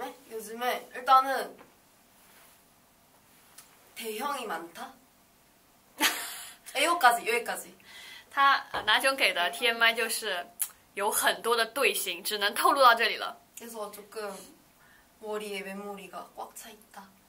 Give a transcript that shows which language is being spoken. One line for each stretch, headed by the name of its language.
Korean: 요즘에 일단은 대형이 많다. 여기까지.
Chinese: 他拿炯给的 TMI 就是有很多的队形，只能透露到这里了。
Korean: 그래서 조금 머리에 메모리가 꽉 차 있다.